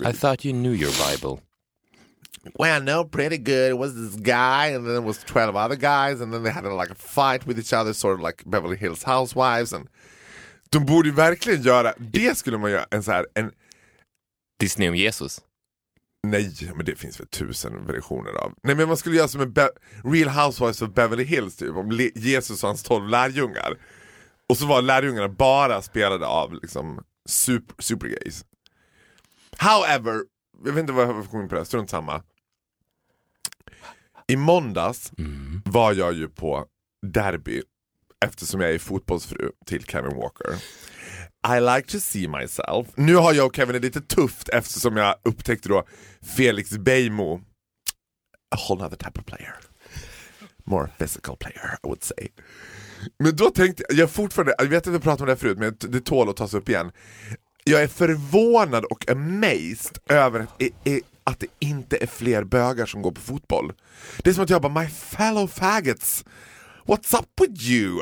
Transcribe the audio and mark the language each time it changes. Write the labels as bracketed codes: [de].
[en] I thought you knew your Bible. Well, no, pretty good. It was this guy, and then it was 12 other guys, and then they had like a fight with each other, sort of like Beverly Hills Housewives, and... [sv] De borde verkligen göra, det skulle man göra, en så här, en... Disney om Jesus? Nej, men det finns väl 1000 versioner av. Nej, men man skulle göra som en Real Housewives of Beverly Hills, typ, om Jesus och hans 12 lärjungar. Och så var lärjungarna bara spelade av, liksom, super gays. However, jag vet inte vad jag har kommit på det, strunt samma. I måndags var jag ju på derby. Eftersom jag är fotbollsfru till Kevin Walker. [en] I like to see myself. [sv] Nu har jag och Kevin lite tufft eftersom jag upptäckte då Felix Bejmo. [en] A whole other type of player. More physical player, I would say. [sv] Men då tänkte jag, fortfarande, jag vet att vi pratade om det förut, men det tål att tas upp igen. Jag är förvånad och amazed över att det inte är fler bögar som går på fotboll. Det är som att jag bara, [en] my fellow faggots. What's up with you?